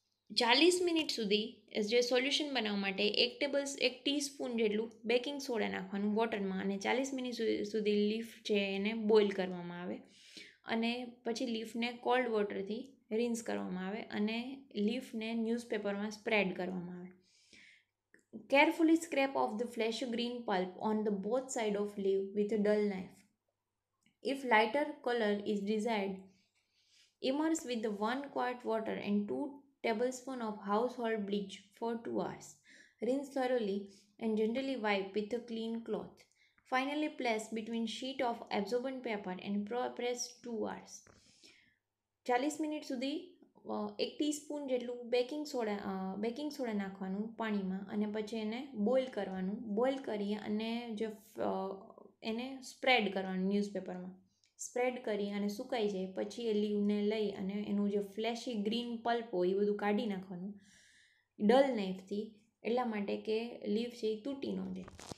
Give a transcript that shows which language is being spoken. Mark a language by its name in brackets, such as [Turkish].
[Gujarati] 40 minute સુધી જે solution બનાવવા માટે 1 ટેબલ 1 ટીસ્પૂન જેટલું બેકિંગ સોડા નાખવાનું વોટરમાં અને 40 મિનિટ સુધી લીફ છે એને બોઇલ કરવામાં આવે અને પછી લીફને કોલ્ડ વોટરથી રિન્સ કરવામાં આવે અને લીફને ન્યૂઝપેપરમાં સ્પ્રેડ કરવામાં આવે. [English] Carefully scrape off the flesh green pulp on the both side of leaf with a dull knife. If lighter color is desired, immerse with 1 quart water and 2 tablespoons of household bleach for 2 hours. Rinse thoroughly and gently wipe with a clean cloth. Finally, place between sheet of absorbent paper and press 2 hours. [Gujarati] 40 minutes sudhi 1 teaspoon જેટલું baking soda નાખવાનું પાણીમાં અને પછી એને boil કરવાનું. Boil કરી અને જે એને સ્પ્રેડ કરવાનું ન્યૂઝપેપરમાં. સ્પ્રેડ કરી અને સુકાઈ જાય પછી એ લીવને લઈ અને એનું જે ફ્લેશી ગ્રીન પલ્પ હોય એ બધું કાઢી નાખવાનું ડલ નાઇફથી, એટલા માટે કે લીવ છે એ તૂટી ન જાય.